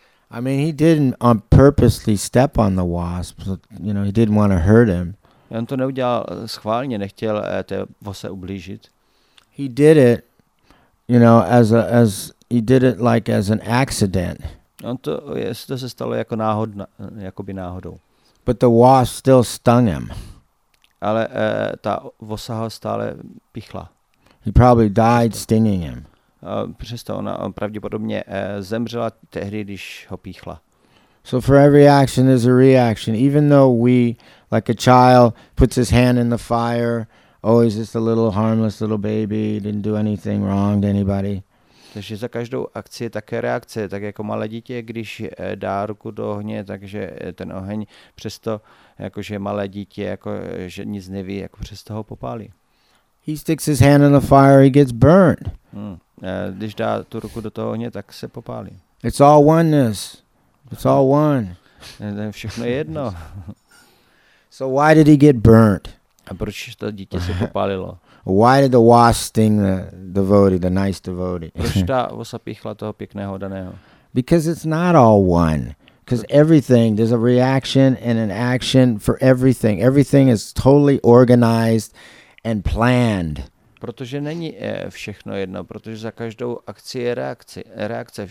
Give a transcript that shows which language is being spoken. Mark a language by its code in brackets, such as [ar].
[en] I mean, he didn't on purposely step on the wasp, but, you know, he didn't want to hurt him. [cs] On to neudělal schválně, nechtěl té vose ublížit. [en] He did it, you know, as he did it like as an accident. [cs] On to, jestli to se stalo jako náhodna, jakoby náhodou. [en] But the wasp still stung him. [cs] Ale ta vosa ho stále pichla. [en] He probably died stinging him. [cs] Přesto ona pravděpodobně zemřela tehdy, když ho píchla. [en] So for every action is a reaction. Even though we, like a child, puts his hand in the fire, oh, he's just a little harmless little baby, didn't do anything wrong to anybody. [cs] Takže za každou akci je také reakce. Tak jako malé dítě, když dá ruku do ohně, takže ten oheň přesto, jakože malé dítě, jako, že nic neví, jako přesto ho popálí. [en] He sticks his hand in the fire, he gets burnt. Hmm. [cs] Když dá tu ruku do toho ohně, tak se popálí. [en] It's all oneness. It's all one. [cs] Všechno je jedno. [en] So why did he get burnt? [cs] A proč to dítě se popálilo? [en] Why did the wasp sting the devotee, the nice devotee? [cs] Proč ta vosa píchla toho pěkného daného? [en] Because it's not all one. Because everything, there's a reaction and an action for everything. Everything is totally organized and planned. [cs] Protože není všechno jedno, protože za každou akci je reakce.